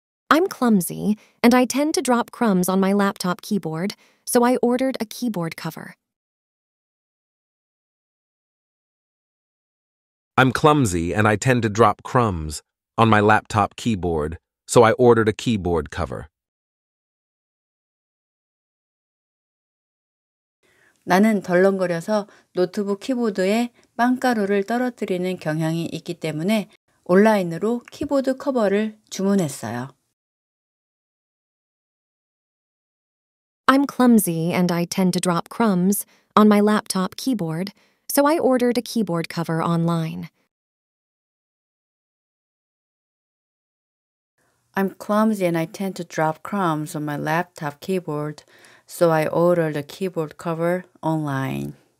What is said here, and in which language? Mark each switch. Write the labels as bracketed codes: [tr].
[en] I'm clumsy, and I tend to drop crumbs on my laptop keyboard, so I ordered a keyboard cover. I'm clumsy, and I tend to drop crumbs on my laptop keyboard, so I ordered a keyboard cover. [ko] 나는 덜렁거려서 노트북 키보드에 빵가루를 떨어뜨리는 경향이 있기 때문에 온라인으로 키보드 커버를 주문했어요. [en] I'm clumsy and I tend to drop crumbs on my laptop keyboard, so I ordered a keyboard cover online. I'm clumsy and I tend to drop crumbs on my laptop keyboard, so I ordered a keyboard cover online.